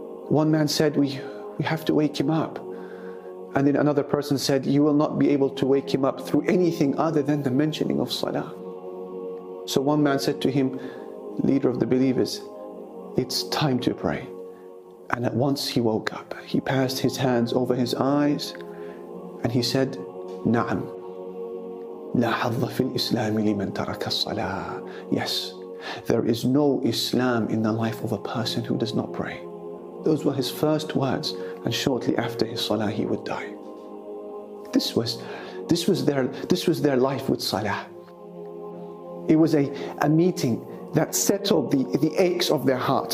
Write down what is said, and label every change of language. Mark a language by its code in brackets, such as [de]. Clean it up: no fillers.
[en] One man said, we have to wake him up. And then another person said, you will not be able to wake him up through anything other than the mentioning of Salah. So one man said to him, leader of the believers, it's time to pray. And at once he woke up. He passed his hands over his eyes and he said, Na'am. [ar] لا حظ في الإسلام لمن ترك الصلاة. [en] Yes, there is no Islam in the life of a person who does not pray. Those were his first words, and shortly after his salah, he would die. This was their life with salah. It was a meeting that settled the aches of their hearts.